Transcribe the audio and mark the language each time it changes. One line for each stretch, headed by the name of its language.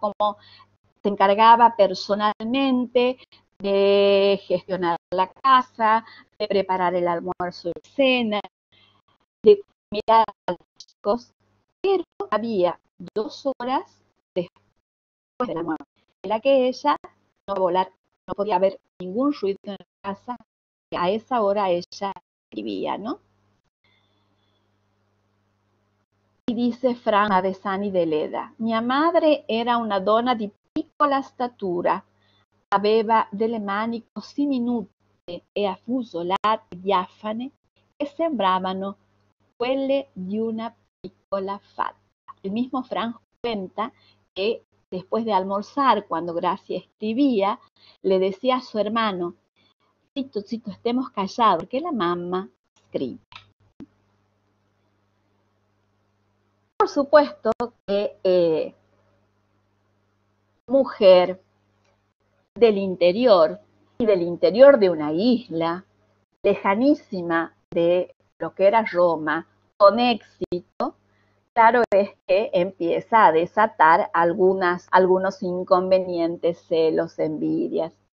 Spanish: Cómo se encargaba personalmente de gestionar la casa, de preparar el almuerzo y la cena, de mirar a los chicos, pero había 2 horas después del almuerzo en la que ella no podía volar, no podía haber ningún ruido en la casa. A esa hora ella escribía, ¿no? Y dice Fran Avesani de Leda: mi madre
Italian: era una dona di piccola statura, aveva delle mani così minute e affusolate diafane che sembravano quelle di una piccola fata.
Spanish: El mismo Fran cuenta que después de almorzar, cuando Gracia escribía, le decía a su hermano: Cito, estemos callados, porque la mamá escribe. Por supuesto que mujer del interior y del interior de una isla lejanísima de lo que era Roma, con éxito, claro es que empieza a desatar algunos inconvenientes, celos, envidias.